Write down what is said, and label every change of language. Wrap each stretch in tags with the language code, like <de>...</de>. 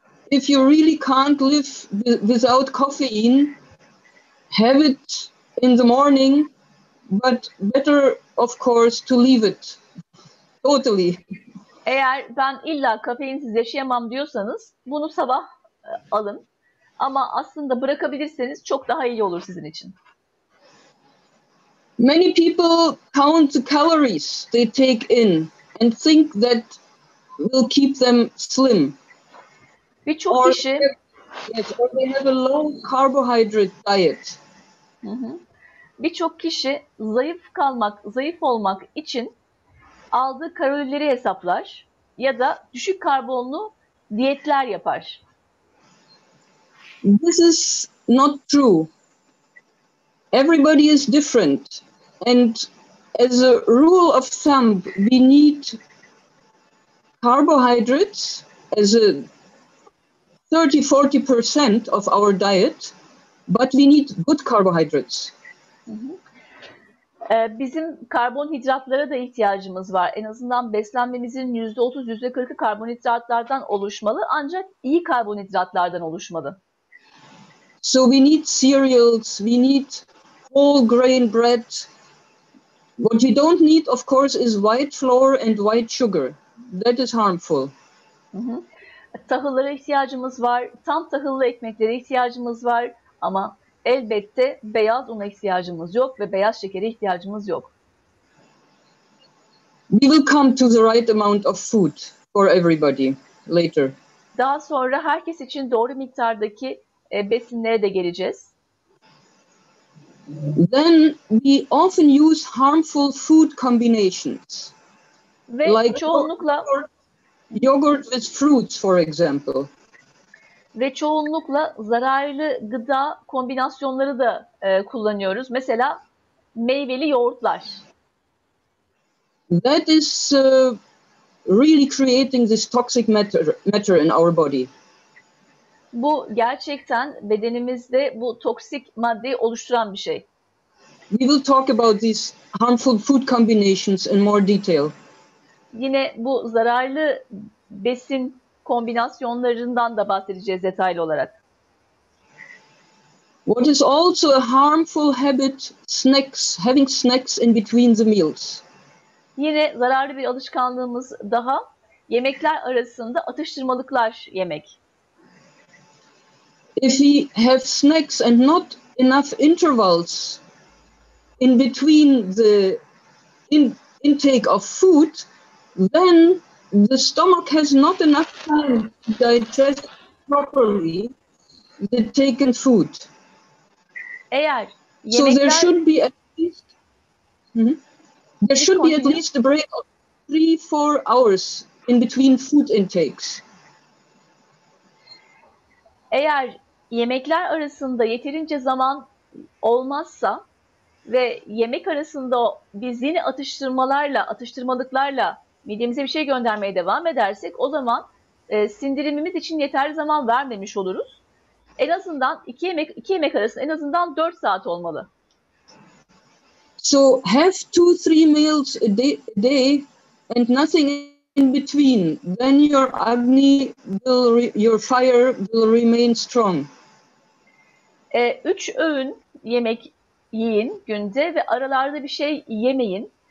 <en>If you really can't live without caffeine, have it in the morning. But better, of course, to leave it totally.</en> <tr>Eğer ben illa kafeinsiz yaşayamam diyorsanız, bunu sabah alın. Ama aslında bırakabilirseniz çok daha iyi olur sizin için.</tr> <en>Many people count the calories they take in and think that will keep them slim.</en> <tr>Birçok kişi,</tr> <en>or they have a low carbohydrate diet.</en> <tr>Birçok kişi zayıf olmak için aldığı kalorileri hesaplar ya da düşük karbonlu diyetler yapar.</tr> <en>This is not true. Everybody is different and as a rule of thumb we need carbohydrates as a 30-40% of our diet, but we need good carbohydrates.</en> <tr>Bizim karbonhidratlara da ihtiyacımız var. En azından beslenmemizin %30-%40'ı karbonhidratlardan oluşmalı, ancak iyi karbonhidratlardan oluşmalı.</tr> <en>So we need cereals, we need whole grain bread. What we don't need, of course, is white flour and white sugar. That is harmful.</en> <tr>Tahıllara ihtiyacımız var, tam tahıllı ekmeklere ihtiyacımız var ama elbette beyaz una ihtiyacımız yok ve beyaz şekere ihtiyacımız yok.</tr> <en>We will come to the right amount of food for everybody later.</en> <tr>Daha sonra herkes için doğru miktardaki besinlere de geleceğiz.</tr> <en>Then we often use harmful food combinations.</en> <tr>Ve like çoğunlukla</tr> <en>yogurt with fruits, for example.</en> <tr>Ve çoğunlukla zararlı gıda kombinasyonları da kullanıyoruz. Mesela meyveli yoğurtlar.</tr> <en>That is really creating this toxic matter in our body.</en> <tr>Bu gerçekten bedenimizde bu toksik maddeyi oluşturan bir şey.</tr> <en>We will talk about these harmful food combinations in more detail.</en> <tr>Yine bu zararlı besin kombinasyonlarından da bahsedeceğiz detaylı olarak.</tr> <en>What is also a harmful habit? Snacks, having snacks in between the meals.</en> <tr>Yine zararlı bir alışkanlığımız daha, yemekler arasında atıştırmalıklar yemek.</tr> <en>If we have snacks and not enough intervals in between the intake of food, then the stomach has not enough time to digest properly the taken food.</en> <tr>Eğer yemekler...</tr> <en>So there should be at least there should be at least a break of 3-4 hours in between food intakes.</en> <tr>Eğer yemekler arasında yeterince zaman olmazsa ve yemek arasında biz yine atıştırmalıklarla midemize bir şey göndermeye devam edersek, o zaman sindirimimiz için yeterli zaman vermemiş oluruz. En azından iki yemek arasında en azından 4 saat olmalı.</tr> <en>So have 2-3 meals a day and nothing in between, then your agni will your fire will remain strong.</en> <tr>3 öğün yemek yiyin günde ve aralarda bir şey yemeyin.</tr>